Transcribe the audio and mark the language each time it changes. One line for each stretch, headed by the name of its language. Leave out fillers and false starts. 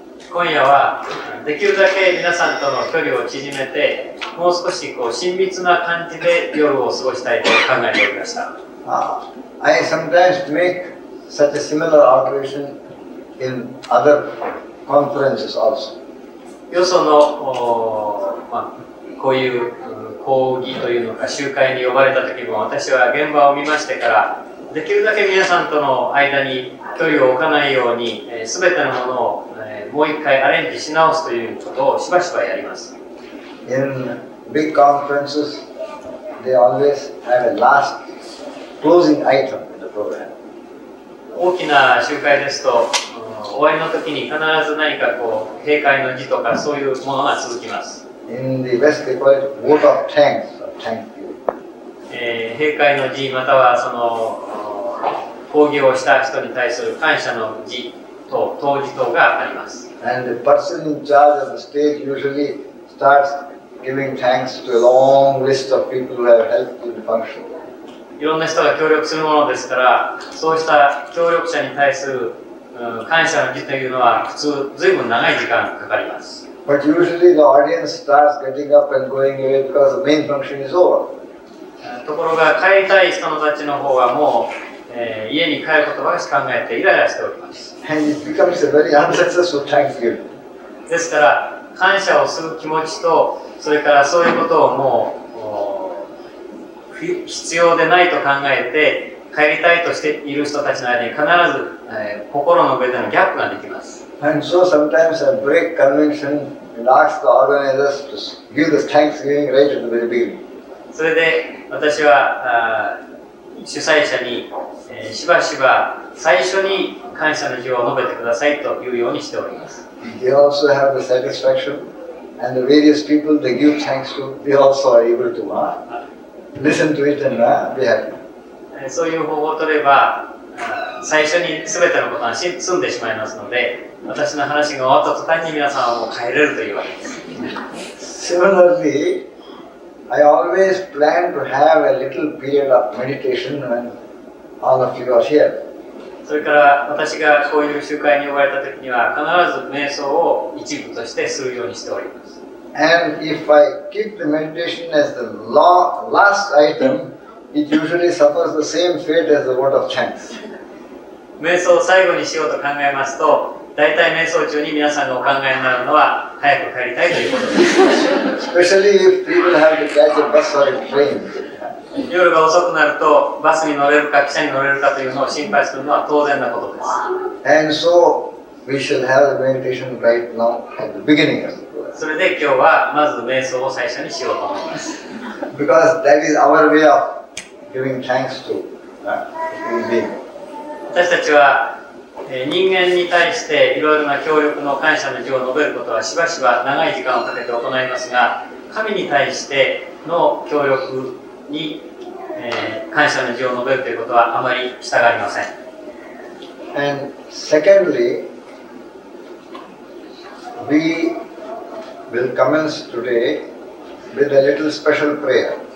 Japanese: 今夜はできるだけ皆さんとの距離を縮めて、もう少しこう親密な感じで夜を過ごしたいと考えておりました。
English: I sometimes make such a similar observation in other conferences also.
Japanese: よその、こういう講義というのか集会に呼ばれた時も、私は現場を見ましてから、できるだけ皆さんとの間に距離を置かないように、すべてのものを、もう一回アレンジし直すということをしばしばやります。
English: In big conferences, they always have a last closing item in the program.
Japanese: 大きな集会ですと、終わりの時に必ず何かこう閉会の辞とかそういうものが続きます。
English: In the West, they call it vote of thanks or thank you.
Japanese: 閉会の辞またはその講義をした人に対する感謝の辞と答辞等があります。
English: And the person in charge of the stage usually starts giving thanks to a long list of people who have helped in the function.
Japanese: いろんな人が協力するものですから、そうした協力者に対する、感謝の辞というのは普通随分長い時間かかります。
English: But usually the audience starts getting up and going away because the main function is over.
Japanese: ところが帰りたい人たちの方はもう家に帰ることばかし考えてイライラしております。
English: And it becomes a very unsuccessful thank you.
Japanese: ですから感謝をする気持ちと、それからそういうことをもう必要でないと考えて帰りたいとしている人たちの間に必ず、心の上でのギャップができます。
English: And so sometimes I break convention and ask the organizers to give this thanksgiving right at the very beginning.
Japanese: それで私は主催者に、しばしば最初に感謝の辞を述べてくださいというようにしております。
English: They also have the satisfaction and the various people they give thanks to, they also are able to listen to it and be happy.
Japanese: そういう方法を取れば最初に全てのことは済んでしまいますので、私の話が終わった途端に皆さんはもう帰れるというわけです。
English: Similarly, I always plan to have a little period of meditation when all of you are here.
Japanese: それから私がこういう集会に呼ばれた時には必ず瞑想を一部としてするようにしております。
English: And if I keep the meditation as the last item, it usually suffers the same fate as the word of chant.
Japanese: 瞑想を最後にしようと考えますと、大体瞑想中に皆さんがお考えになるのは早く帰りたいということです。
English: Especially if people have to catch a bus or a train.
Japanese: 夜が遅くなるとバスに乗れるか汽車に乗れるかというのを心配するのは当然なことです。
English: And so we shall have the meditation right now at the beginning of the program.
Japanese: それで今日はまず瞑想を最初にしようと思います。
English: Because that is our way of giving thanks to being.
Japanese: 私たちは人間に対していろいろな協力の感謝の意を述べることはしばしば長い時間をかけて行いますが、神に対しての協力に、感謝の辞を述べるということはあまり従いません。
English: And secondly, we will commence today with a little special prayer.